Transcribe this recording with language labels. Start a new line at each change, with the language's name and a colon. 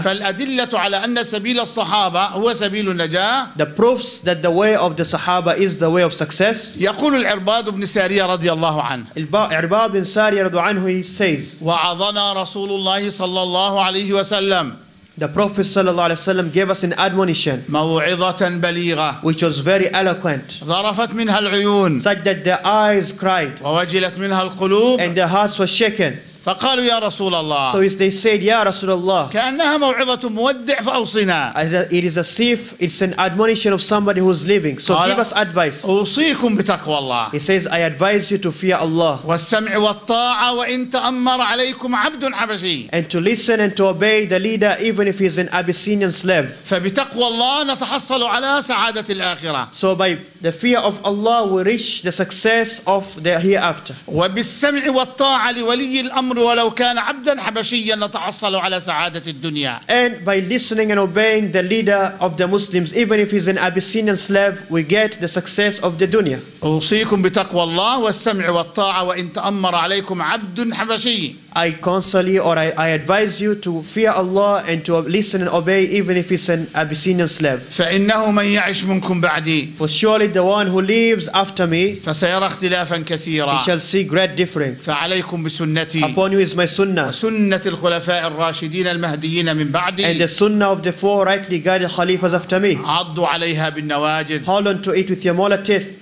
Arabic: فالأدلة على أن سبيل الصحابة هو سبيل النجاة.
English: The proofs that the way of the صحابة is the way of success.
Arabic: يقول العرباض بن سارية رضي الله عنه. العرباض بن سارية رضي الله عنه.
English: He says.
Arabic: وعظنا رسول الله صلى الله عليه وسلم.
English: The Prophet
Arabic: صلى الله عليه وسلم
English: gave us an admonition
Arabic: موعظة بليغة
English: which was very eloquent
Arabic: ظرفت منها العيون
English: such that the eyes cried
Arabic: ووجلت منها القلوب
English: and the hearts were shaken
Arabic: فقالوا يا رسول الله
English: so they said
Arabic: يا رسول الله كأنها موعظة مودع فأوصنا
English: it is as if it's an admonition of somebody who's leaving so give us advice
Arabic: أوصيكم بتقوى الله
English: he says I advise you to fear Allah
Arabic: والسمع والطاعة وإن تأمر عليكم عبد حبشي
English: and to listen and to obey the leader even if he's an Abyssinian slave
Arabic: فبتقوى الله نتحصل على سعادة الآخرة
English: so by the fear of Allah we reach the success of the hereafter
Arabic: وبالسمع والطاعة لولي الأمر ولو كان عبدا حبشيا نتحصل على سعادة الدنيا.
English: And by listening and obeying the leader of the Muslims, even if he's an Abyssinian slave, we get the success of the dunya.
Arabic: أوصيكم بتقوى الله والسمع والطاعة وإن تأمر عليكم عبد حبشي.
English: I counsel you or I advise you to fear Allah and to listen and obey even if it's an Abyssinian slave.
Arabic: فإنه من يعيش منكم بعدي.
English: For surely the one who lives after me.
Arabic: فسيرى اختلافا كثيرا.
English: He shall see great difference.
Arabic: فعليكم بسنتي.
English: Upon you is my sunnah.
Arabic: وسنة الخلفاء الراشدين المهديين من بعدي.
English: And the sunnah of the four rightly guided khalifas after me.
Arabic: عضوا عليها بالنواجذ.
English: Hold on to it with your molar teeth.